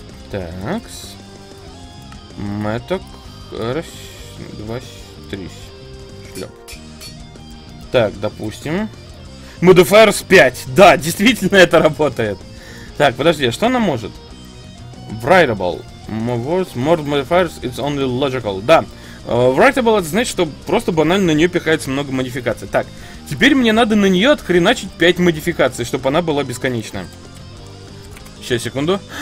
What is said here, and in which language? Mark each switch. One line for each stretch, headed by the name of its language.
Russian: Такс. Меток. Раз, два, три. Шлеп. Так, допустим. Modifier с 5. Да, действительно это работает. Так, подожди, что она может? Writable.
English: More modifiers, it's only logical.
Russian: Да. Writable, это значит, что просто банально на нее пихается много модификаций. Так, теперь мне надо на нее отхреначить 5 модификаций, чтобы она была бесконечная. Сейчас, секунду.